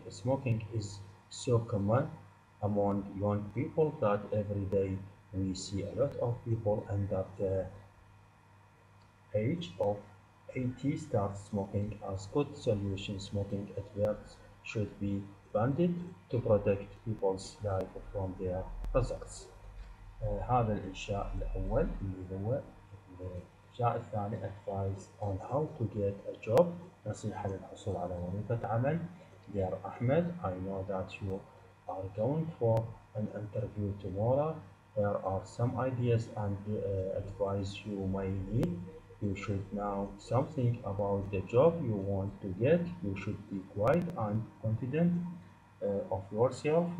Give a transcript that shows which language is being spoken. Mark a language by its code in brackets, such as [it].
[en] Smoking is so common among young people that every day we see a lot of people under the age of 80 start smoking. As good solution, smoking at work should be banned to protect people's life from their hazards. [ar] هذا الإنشاء الأول اللي هو الإنشاء الثاني [en] advice on how to get a job. [ar] نصيحة للحصول على وظيفة عمل. [en] Dear Ahmed, I know that you are going for an interview tomorrow. There are some ideas and advice you may need. You should know something about the job you want to get. You should be quiet and confident of yourself.